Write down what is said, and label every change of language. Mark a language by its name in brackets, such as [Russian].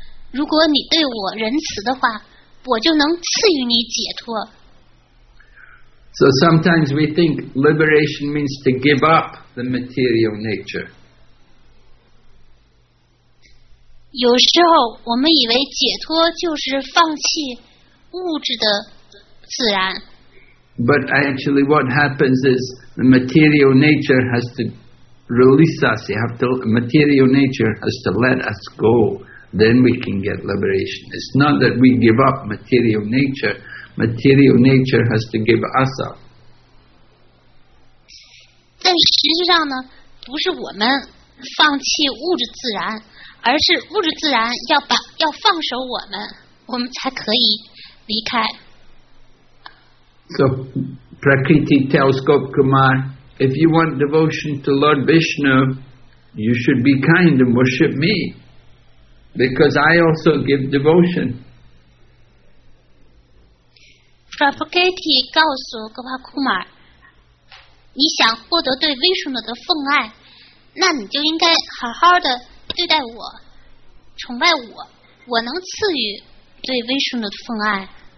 [Chinese] 如果你对我仁慈的话，我就能赐予你解脱。 [English] So sometimes we think liberation means to give up the material nature. [Chinese] 有时候我们以为解脱就是放弃物质的自然。 [English] But actually what happens is the material nature has to release us. Material nature has to let us go. Then we can get liberation. It's not that we give up material nature. Material nature has to give us up. [Chinese] 但实际上呢，不是我们放弃物质自然，而是物质自然要放手我们，我们才可以离开。 [English] So Prakriti tells Gopkumar, if you want devotion to Lord Vishnu, you should be kind and worship me, because I also give devotion. [Chinese] Prakriti 告诉 Govakumar, 你想获得对 Vishnu 的奉爱，那你就应该好好的对待我，崇拜我，我能赐予对 Vishnu 的奉爱。